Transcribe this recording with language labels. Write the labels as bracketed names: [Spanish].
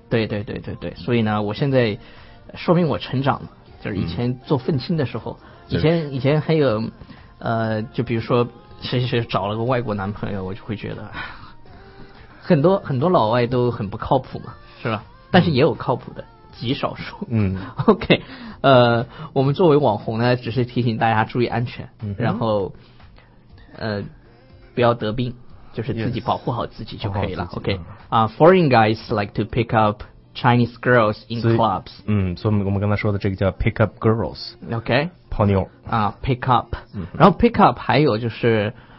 [Chinese] 对对对对对，所以呢，我现在说明我成长了，就是以前做愤青的时候，以前还有就比如说谁找了个外国男朋友，我就会觉得很多很多老外都很不靠谱嘛，是吧？但是也有靠谱的。极少数。 OK, 我们作为网红呢，只是提醒大家注意安全，然后不要得病，就是自己保护好自己就可以了。 [English] OK, foreign guys like to pick up Chinese girls in clubs. [Chinese] 所以我们刚才说的这个叫 [English] pick up girls. OK, [Chinese] 泡妞。 pick up.、然后 pick up 还有就是